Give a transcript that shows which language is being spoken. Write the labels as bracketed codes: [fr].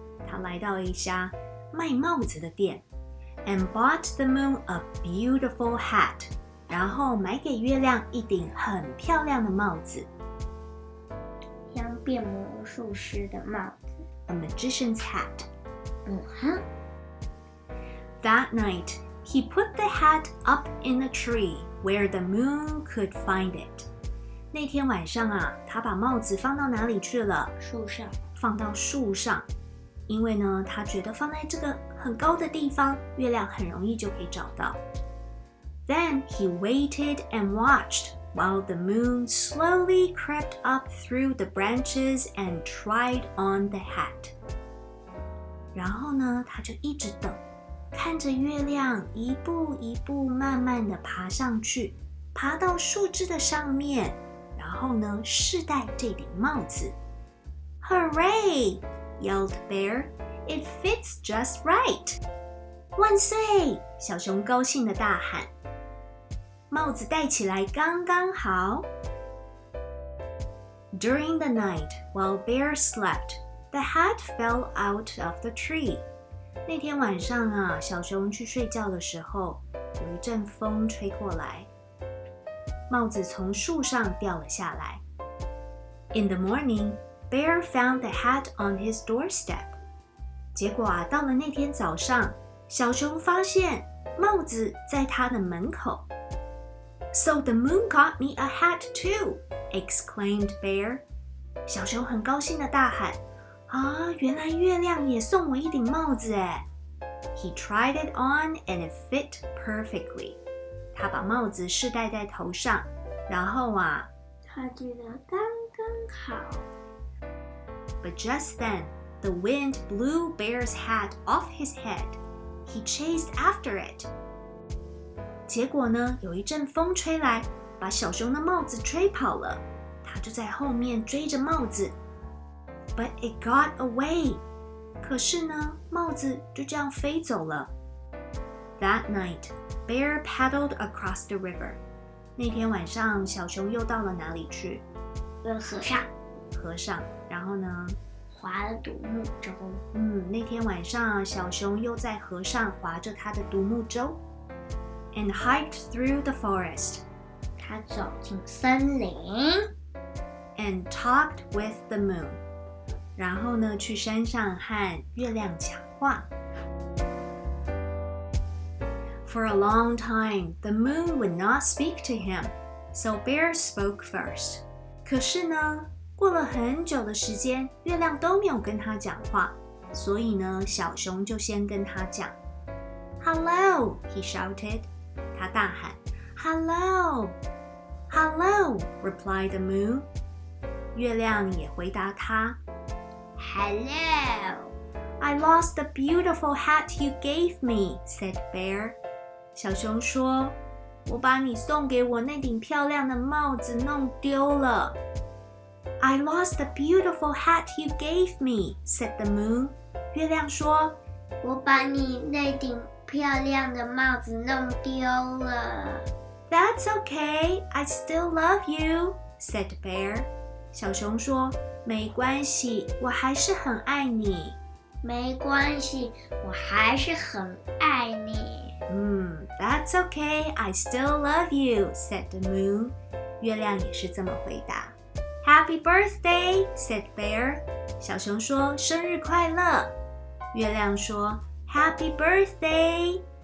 [zh] 他来到一家卖帽子的店 ， [en] and bought the moon a beautiful hat. [zh] 然后买给月亮一顶很漂亮的帽子。变魔术师的帽子 [en] ，a magician's hat. 哼。 That night, he put the hat up in a tree where the moon could find it. [zh] 那天晚上啊，他把帽子放到哪里去了？树上。放到树上，因为呢，他觉得放在这个很高的地方，月亮很容易就可以找到。 [en] Then he waited and watched. While the moon slowly crept up through the branches and tried on the hat. [zh] 然后呢，他就一直等，看着月亮一步一步慢慢地爬上去，爬到树枝的上面，然后呢，试戴这顶帽子。 [en] Hooray! Yelled Bear. It fits just right. [zh] 万岁！小熊高兴地大喊。帽子戴起来刚刚好。 [en] During the night, while Bear slept, the hat fell out of the tree. [zh] 那天晚上啊，小熊去睡觉的时候，有一阵风吹过来，帽子从树上掉了下来。 [en] In the morning, Bear found the hat on his doorstep. [zh] 结果啊，到了那天早上，小熊发现帽子在他的门口。 [en] So the moon got me a hat too, exclaimed Bear. [zh] 小熊很高兴地大喊，啊，原来月亮也送我一顶帽子耶。 [en] He tried it on and it fit perfectly. [zh] 他把帽子试戴在头上，然后啊，他觉得刚刚好。 [en] But just then, the wind blew Bear's hat off his head. He chased after it. [zh] 结果呢，有一阵风吹来，把小熊的帽子吹跑了。他就在后面追着帽子。 [en] But it got away. [zh] 可是呢，帽子就这样飞走了。 [en] That night, Bear paddled across the river. [zh] 那天晚上，小熊又到了哪里去？河上。河上，然后呢？划了独木舟。那天晚上，小熊又在河上划着他的独木舟。 [en] And hiked through the forest. [zh] 他走进森林。 [en] And talked with the moon. [zh] 然后呢，去山上和月亮讲话。 [en] For a long time, the moon would not speak to him. So Bear spoke first. [zh] 可是呢，过了很久的时间，月亮都没有跟他讲话。所以呢，小熊就先跟他讲。 [en] Hello, he shouted. [zh] 他大喊 [en] ,Hello! Hello! replied the moon. [zh] 月亮也回答他 [en] ,Hello! I lost the beautiful hat you gave me, said Bear. [zh] 小熊说我把你送给我那顶漂亮的帽子弄丢了。 [en] I lost the beautiful hat you gave me, said the moon. [zh] 月亮说我把你那顶漂亮的帽子弄丢了。 [en] That's okay, I still love you, said Bear. [zh] 小熊说，没关系，我还是很爱你。没关系，我还是很爱你。 [en] That's okay, I still love you, said the moon. [zh] 月亮也是这么回答。 [en] Happy birthday, said Bear. [zh] 小熊说，生日快乐。月亮说 [en] Happy birthday!